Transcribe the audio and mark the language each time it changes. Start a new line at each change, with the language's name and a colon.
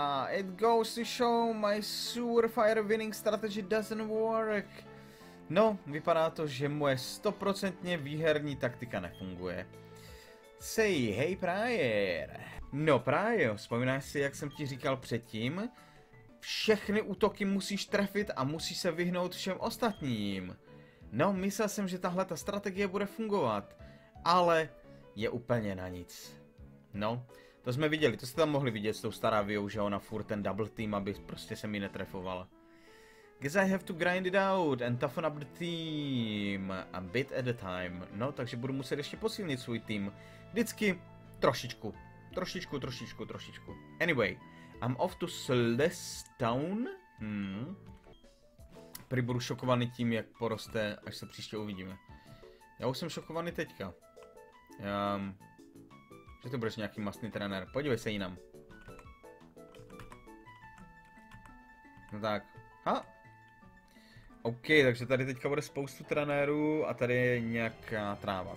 English: It goes to show my surefire winning strategy doesn't work.
Czech: No, vypadá to, že moje 100% výherní taktika nefunguje.
English: Say hey prayer.
Czech: No právě, vzpomínáš si, jak jsem ti říkal předtím? Všechny útoky musíš trefit a musíš se vyhnout všem ostatním. No, myslel jsem, že tahle ta strategie bude fungovat, ale je úplně na nic. No, to jsme viděli, to jste tam mohli vidět s tou stará Viou, že ona furt ten double team, aby prostě se mi netrefovala.
English: Guess I have to grind it out and toughen up the team a bit at a time.
Czech: No, takže budu muset ještě posílit svůj tým. Vždycky trošičku. Trošičku.
English: Anyway, I'm off to Celestown.
Czech: Budu šokovaný tím, jak poroste, až se příště uvidíme. Já už jsem šokovaný teďka. Že to budeš nějaký mastný trenér. Podívej se jinam. No tak. Ha? OK, takže tady teďka bude spoustu trenérů a tady je nějaká tráva.